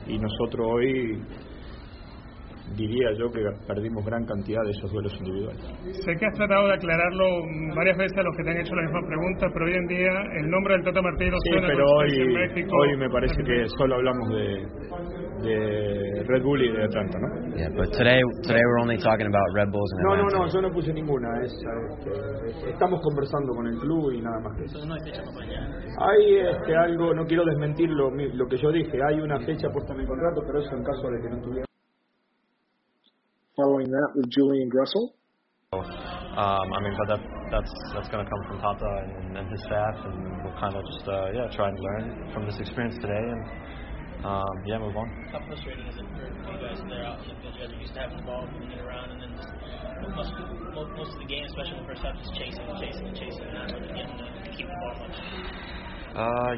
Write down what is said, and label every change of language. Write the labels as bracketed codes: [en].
[es] Y nosotros hoy diría yo que perdimos gran cantidad de esos duelos individuales. Sé que has tratado de aclararlo varias veces a los que te han hecho la misma pregunta, pero hoy en día el nombre del Tata Martino suena. Sí, pero hoy me parece que solo hablamos de Red Bull y de Atlanta, ¿no? [en] Yeah, but today we're only talking about Red Bulls and Atlanta. [es] No, yo no puse ninguna. Estamos conversando con el club y nada más que eso. Hay algo, no quiero desmentir lo que yo dije, hay una fecha puesta en el contrato, pero eso en caso de que no tuviera. [en] Following that with Julian Gressel. But that's going to come from Tata and his staff, and we'll kind of just try and learn from this experience today, and Yeah, move on. How frustrating is it for you guys when they're out in the field? You guys are used to having the ball, moving it around, and then most of the game, especially the first half, is chasing, and not really getting to keep the ball much.